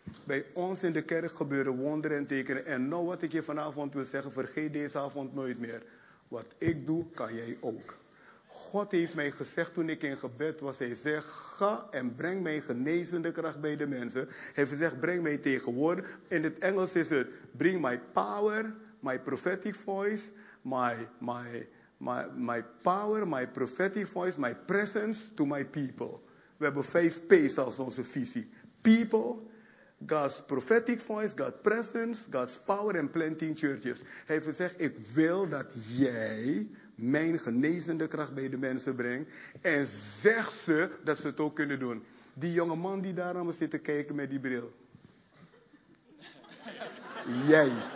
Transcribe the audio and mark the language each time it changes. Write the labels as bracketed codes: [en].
[nl] Bij ons in de kerk gebeuren wonderen en tekenen. En nou wat ik je vanavond wil zeggen, vergeet deze avond nooit meer. Wat ik doe, kan jij ook. God heeft mij gezegd toen ik in gebed was. Hij zegt, ga en breng mijn genezende kracht bij de mensen. Hij zegt, breng mij tegenwoordig. In het Engels is het, [en] bring my power, my prophetic voice. My power, my prophetic voice, my presence to my people. [nl] We hebben 5 P's als onze visie. [en] People, God's prophetic voice, God's presence, God's power and planting churches. [nl] Hij heeft gezegd, ik wil dat jij mijn genezende kracht bij de mensen brengt. En zeg ze dat ze het ook kunnen doen. Die jonge man die daar aan me zit te kijken met die bril. Jij.